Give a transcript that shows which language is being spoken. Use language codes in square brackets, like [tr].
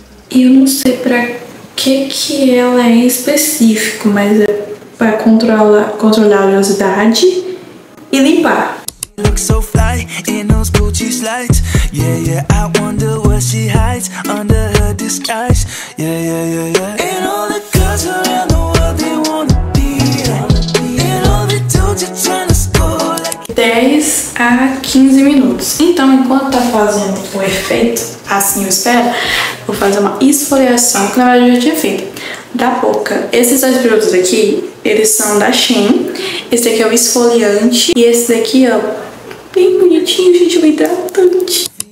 [pt] E eu não sei pra que que ela é em específico, mas é pra controlar a oleosidade e limpar. [en] Look so fly in those booty slides. Yeah, yeah, I wonder what she hides under her disguise. Yeah, yeah, yeah, yeah. And all the girls around the world, they wanna be. And all the dudes are trying to score like. [pt] 10 a 15 minutos. Então, enquanto tá fazendo o efeito, assim eu espero, vou fazer uma esfoliação que na verdade eu já tinha feito. Da boca. Esses dois produtos aqui, eles são da Shein. Esse aqui é o esfoliante. E esse daqui, ó, bem bonitinho, gente, bem hidratante.